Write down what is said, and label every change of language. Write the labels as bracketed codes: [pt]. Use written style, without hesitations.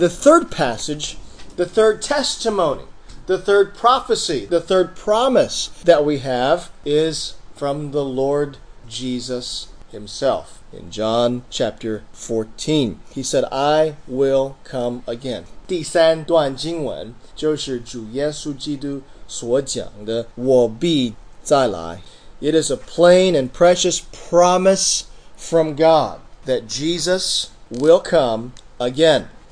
[en] the third passage, the third testimony, the third prophecy, the third promise that we have is from the Lord Jesus himself. In John chapter 14, he said, I will come again. [zh] 第三段经文就是主耶稣基督所讲的，我必再来。 [en] It is a plain and precious promise from God that Jesus will come again.